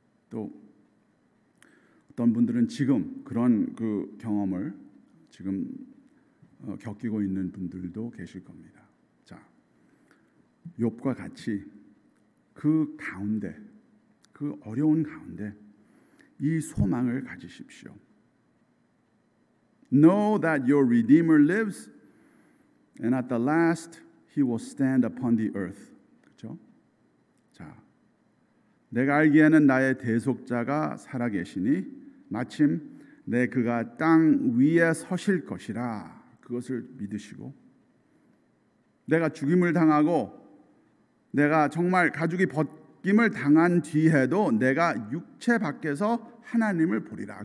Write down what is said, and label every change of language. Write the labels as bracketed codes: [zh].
[ko] 또 어떤 분들은 지금 그런 그 경험을 지금 겪고 있는 분들도 계실 겁니다. 자, 욥과 같이 그 가운데, 그 어려운 가운데 이 소망을 가지십시오. [en] Know that your Redeemer lives and at the last he will stand upon the earth. [ko] 그렇죠? 자, 내가 알기에는 나의 대속자가 살아계시니 마침 내 그가 땅 위에 서실 것이라. 그것을 믿으시고 내가 죽임을 당하고 내가 정말 가죽이 벗김을 당한 뒤에도 내가 육체 밖에서 하나님을 보리라.